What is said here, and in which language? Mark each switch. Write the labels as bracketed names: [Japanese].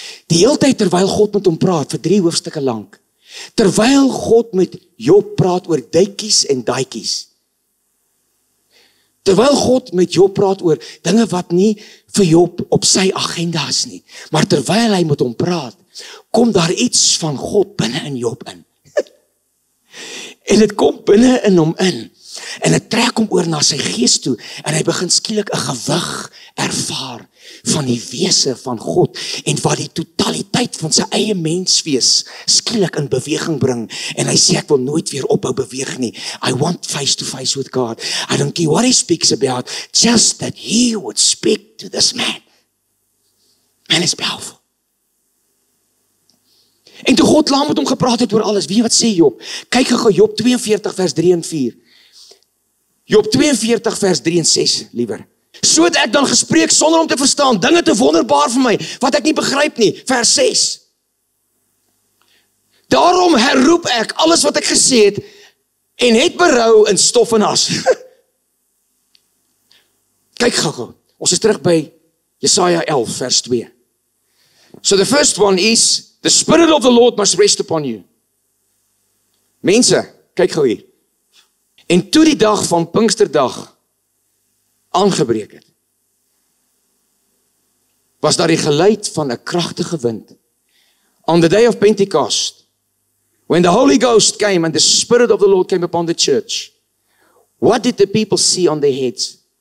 [Afrikaans] Die hele tyd terwyl God met hom praat, vir drie hoofstukke lang, terwyl God met Job praat oor duikies en daikies, terwyl God met Job praat oor dinge wat nie vir Job op sy agenda is nie, maar terwyl hy met hom praat, kom daar iets van God binnen in Job in. En het kom binnen in hom in, En hy trek hom oor na sy gees toe en hy begin skielik 'n gewig ervaar van die wese van God en wat die totaliteit van sy eie menswees skielik in beweging bring en hy sê ek wil nooit weer ophou beweeg nie. [English] I want face to face with God. I don't care what he speaks about, just that he would speak to this man. Man is powerful. [Afrikaans] En toe God laat met hom gepraat het oor alles, weet wat sê Job? Kyk gou Job 42 vers 3 en 4. Job 42 vers 3 en 6, liever. So het ek dan gespreek sonder om te verstaan, dinge te wonderbaar vir my, wat ek nie begryp nie, vers 6. Daarom herroep ek alles wat ek gesê het, en het berou in stof en as. Kyk gou, ons is terug by Jesaja 11 vers 2. [English] So the first one is, the spirit of the Lord must rest upon you. [Afrikaans] Mense, kyk gou hier. En toe die dag van Pinksterdag aangebreek het, was daar die geluid van 'n kragtige wind. [English] On the day of Pentecost, when the Holy Ghost came and the Spirit of the Lord came upon the church, what did the people see on their heads?